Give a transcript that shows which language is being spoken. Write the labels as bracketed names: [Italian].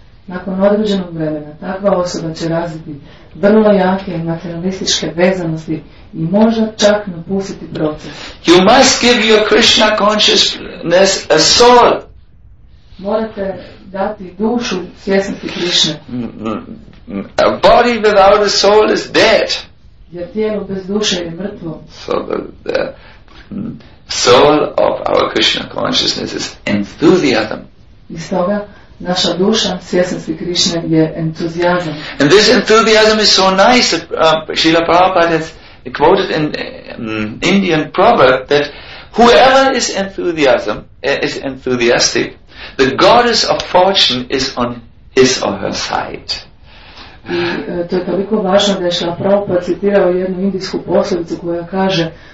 [Croatian] Nakon određenog vremena takva osoba će razviti vrlo jake materialističke vezanosti i može čak napustiti proces. [English] You must give your Krishna consciousness a soul. [Croatian] Morate dati dušu svjesnosti Krishne. [English] A body without a soul is dead. [Croatian] Jer tijelo bez duše je mrtvo. [English] So the soul of our Krishna consciousness is enthusiasm. [Croatian] I stoga naša duša, svjesnosti Krišne, je entuzijazam. [English] And this enthusiasm is so nice that Srila Prabhupada has quoted in Indian proverb that whoever is enthusiasm is enthusiastic, the goddess of fortune is on his or her side. [Croatian] I to je toliko važno da je Srila Prabhupada citirao jednu indijsku poslovicu koja kaže: